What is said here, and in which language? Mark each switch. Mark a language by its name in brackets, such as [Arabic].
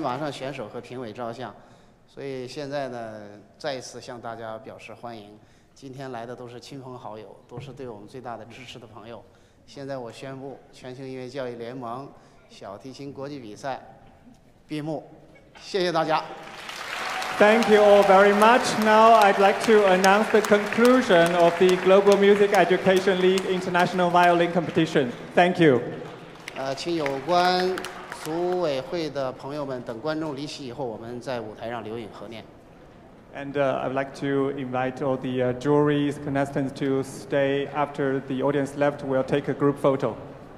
[Chinese] 选手和评委照相，所以现在呢，再一次向大家表示欢迎。今天来的都是亲朋好友，都是对我们最大的支持的朋友。现在我宣布，全球音乐教育联盟小提琴国际比赛闭幕。谢谢大家。 [English] Thank you all very much. Now I'd like to announce the conclusion of the Global Music Education League International Violin Competition. Thank you. [Chinese] 请有关。组委会的朋友们，等观众离席以后，我们在舞台上留影合念。 [English] And I'd like to invite all the jury's contestants to stay after the audience left. We'll take a group photo.